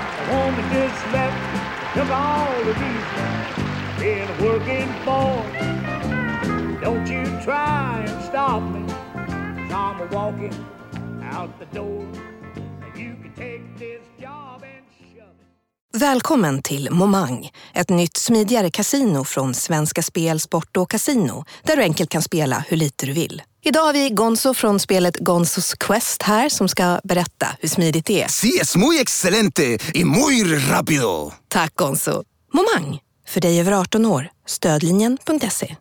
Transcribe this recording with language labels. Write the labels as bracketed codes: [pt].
[en] Woman just left to all the reasons been working for. Don't you try and stop me, 'cause I'm walking out the door. You can take this job and shove it. [sv] Välkommen till Momang, ett nytt smidigare kasino från Svenska Spel, Sport och Casino, där du enkelt kan spela hur lite du vill. Idag har vi Gonzo från spelet Gonzos Quest här som ska berätta hur smidigt det är. [es] Sí, es muy excelente y muy rápido. [sv] Tack, Gonzo. Momang, för dig över 18 år. Stödlinjen.se.